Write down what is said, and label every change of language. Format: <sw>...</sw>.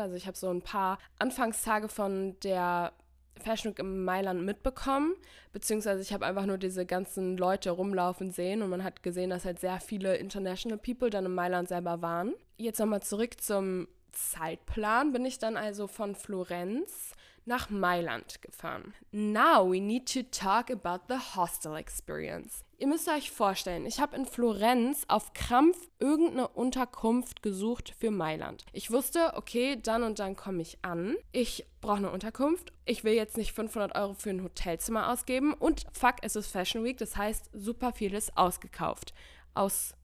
<de>Also ich habe so ein paar Anfangstage von der Fashion Week in Mailand mitbekommen. Beziehungsweise ich habe einfach nur diese ganzen Leute rumlaufen sehen und man hat gesehen, dass halt sehr viele</de> <en>international people</en> <de>dann in Mailand selber waren. Jetzt nochmal zurück zum Zeitplan, bin ich dann also von Florenz nach Mailand gefahren.</de> <en>Now we need to talk about the hostel experience.</en> <de>Ihr müsst euch vorstellen, ich habe in Florenz auf Krampf irgendeine Unterkunft gesucht für Mailand. Ich wusste, okay, dann und dann komme ich an. Ich brauche eine Unterkunft. Ich will jetzt nicht 500 Euro für ein Hotelzimmer ausgeben. Und fuck, es ist Fashion Week, das heißt, super viel ist ausgekauft. Aus</de>